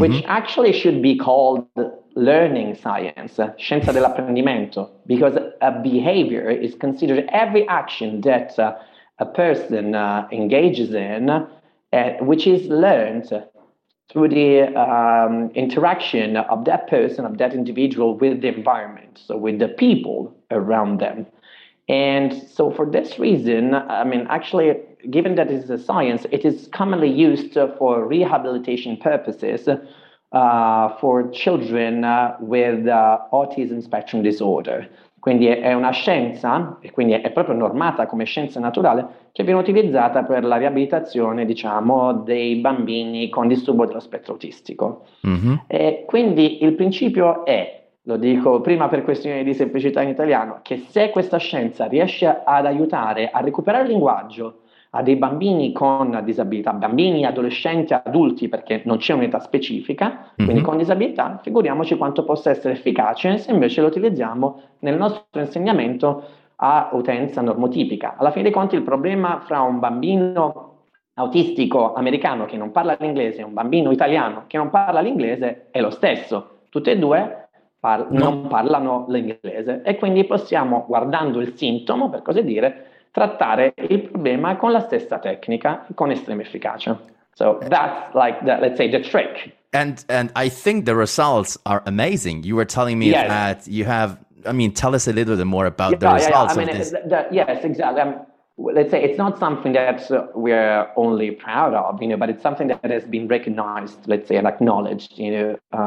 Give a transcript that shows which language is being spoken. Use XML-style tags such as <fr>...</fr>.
<en>which actually should be called learning science,</en> <it>scienza dell'apprendimento,</it> <en>because a behavior is considered every action that a person engages in, which is learned through the interaction of that person, of that individual with the environment, so with the people around them. And so for this reason, I mean, actually, given that this is a science, it is commonly used for rehabilitation purposes for children with autism spectrum disorder.</en> <it>Quindi è una scienza, e quindi è proprio normata come scienza naturale, che viene utilizzata per la riabilitazione, diciamo, dei bambini con disturbo dello spettro autistico. Mm-hmm. E quindi il principio è, lo dico prima per questione di semplicità in italiano, che se questa scienza riesce ad aiutare a recuperare il linguaggio a dei bambini con disabilità, bambini, adolescenti, adulti, perché non c'è un'età specifica, mm-hmm. quindi con disabilità, figuriamoci quanto possa essere efficace se invece lo utilizziamo nel nostro insegnamento a utenza normotipica. Alla fine dei conti il problema fra un bambino autistico americano che non parla l'inglese e un bambino italiano che non parla l'inglese è lo stesso. Tutti e due non parlano l'inglese e quindi possiamo, guardando il sintomo, per così dire, trattare il problema con la stessa tecnica, con estrema efficacia.</it> <en>So that's like, let's say, the trick. And I think the results are amazing. You were telling me yes. that you have, I mean, tell us a little bit more about the results of this. Yes, exactly. Let's say it's not something that we're only proud of, you know, but it's something that has been recognized, let's say, and acknowledged, you know.</en>